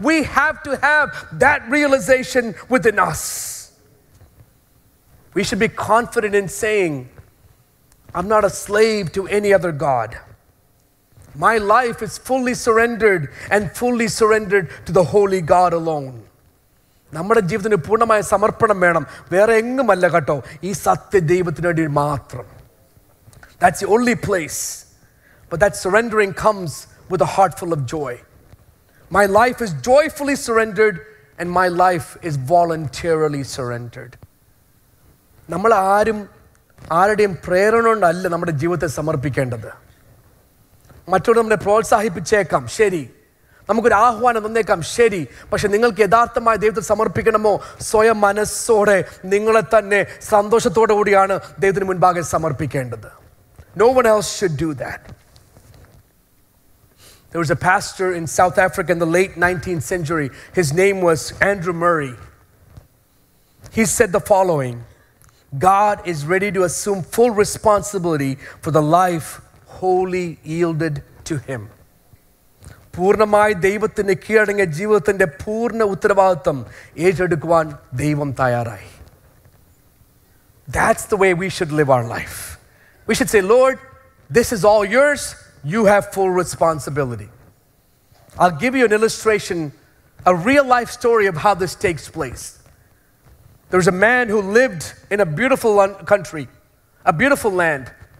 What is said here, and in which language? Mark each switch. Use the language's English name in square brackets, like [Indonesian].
[English] We have to have that realization within us. We should be confident in saying, I'm not a slave to any other God. My life is fully surrendered and fully surrendered to the Holy God alone. [Malayalam] നമ്മുടെ ജീവിതത്തിന് പൂർണ്ണമായ സമർപ്പണം വേണം, വേറെ എങ്ങുമല്ല കേട്ടോ, ഈ സത്യ ദൈവത്തിന് വേണ്ടി മാത്രം. [English] That's the only place. But that surrendering comes with a heart full of joy. My life is joyfully surrendered and my life is voluntarily surrendered. [Malayalam] നമ്മൾ ആരുടെയും പ്രേരണ കൊണ്ടല്ല നമ്മുടെ ജീവിതത്തെ സമർപ്പിക്കേണ്ടത്. മറ്റുള്ള നമ്മളെ പ്രോത്സാഹിപ്പിച്ചേക്കാം, ശരി, നമുക്കൊരു ആഹ്വാനം തന്നേക്കാം, ശരി, പക്ഷെ നിങ്ങൾക്ക് യഥാർത്ഥമായ ദൈവത്തെ സമർപ്പിക്കണമോ, സ്വയം മനസ്സോടെ നിങ്ങളെ തന്നെ സന്തോഷത്തോടു കൂടിയാണ് ദൈവത്തിന് മുൻപാകെ സമർപ്പിക്കേണ്ടത്. [English] No one else should do that. There was a pastor in South Africa in the late 19th century. His name was Andrew Murray. He said the following: God is ready to assume full responsibility for the life wholly yielded to Him. [Malayalam] പൂർണ്ണമായി ദൈവത്തിന് കീഴടങ്ങിയ ജീവിതത്തിന്റെ പൂർണ്ണ ഉത്തരവാദിത്വം ഏറ്റെടുക്കുവാൻ ദൈവം തയ്യാറായി. [English] That's the way we should live our life. We should say, Lord, this is all yours. You have full responsibility. I'll give you an illustration, a real life story of how this takes place. There was a man who lived in a beautiful country, a beautiful land.